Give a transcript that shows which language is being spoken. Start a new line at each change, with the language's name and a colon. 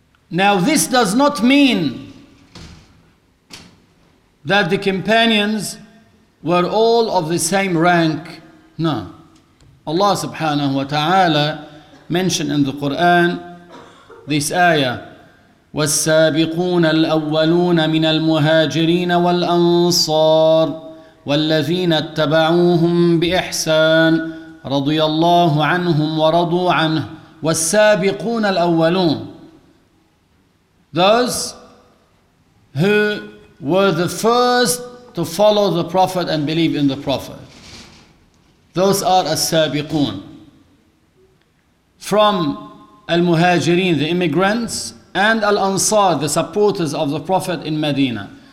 English: Now this does not mean that the companions were all of the same rank. No. Allah subhanahu wa ta'ala mentioned in the Quran this ayah,
Arabic: وَالسَّابِقُونَ الْأَوَّلُونَ مِنَ الْمُهَاجِرِينَ وَالْأَنصَارِ وَالَّذِينَ اتَّبَعُوهُمْ بِإِحْسَانٍ رَضِيَ اللَّهُ عَنْهُمْ وَرَضُوا عَنْهُ وَالسَّابِقُونَ الْأَوَّلُونَ.
English: Those who were the first to follow the Prophet and believe in the Prophet. Those are as-sabiqoon. From al-muhajirin, the immigrants, and al-ansar, the supporters of the Prophet in Medina.